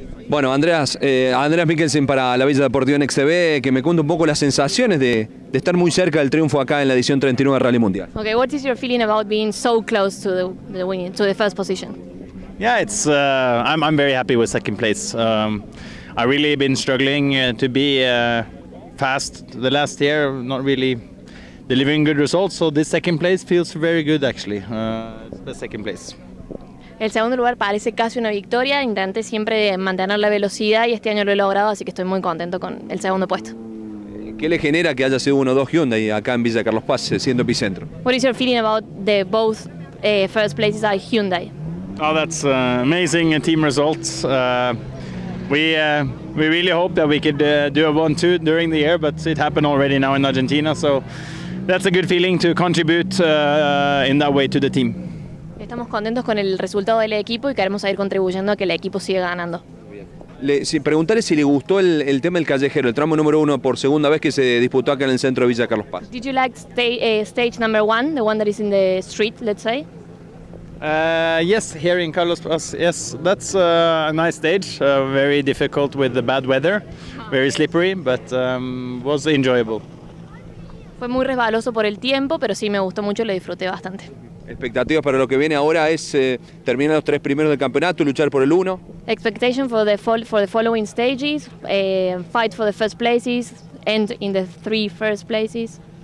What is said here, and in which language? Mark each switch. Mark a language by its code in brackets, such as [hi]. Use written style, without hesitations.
[es] Bueno, Andreas Mikkelsen para La Villa Deportiva en XTB, que me cuente un poco las sensaciones de estar muy cerca del triunfo acá en la edición 39 de Rally Mundial. [en] Okay, what is your feeling about being so close to the win, to the first position? Yeah, it's I'm very happy with second place. I really been struggling to be fast the last year, not really delivering good results, so this second place feels very good actually. It's the second place. [es] El segundo lugar parece casi una victoria, intenté siempre mantener la velocidad y este año lo he logrado, así que estoy muy contento con el segundo puesto. ¿Qué le genera que haya sido 1-2 Hyundai acá en Villa Carlos Paz, siendo epicentro? [en] What is your feeling about the both first places at Hyundai? Oh, that's amazing team results. We really hope that we could do a 1-2 during the year, but it happened already now in Argentina, so that's a good feeling to contribute in that way to the team. [es] Estamos contentos con el resultado del equipo y queremos seguir contribuyendo a que el equipo siga ganando. Preguntarle si le gustó el tema del callejero, el tramo número uno por segunda vez que se disputó acá en el centro de Villa Carlos Paz. [en] Did you like stage number one, the one that is in the street, let's say? Yes, here in Carlos Paz, yes, that's a nice stage, very difficult with the bad weather, very slippery, but was enjoyable. [es] Fue muy resbaloso por el tiempo, pero sí me gustó mucho, lo disfruté bastante. Expectativas para lo que viene ahora es terminar los tres primeros del campeonato y luchar por el uno. [en] Expectation for the following stages, fight for the first places, end in the three first places.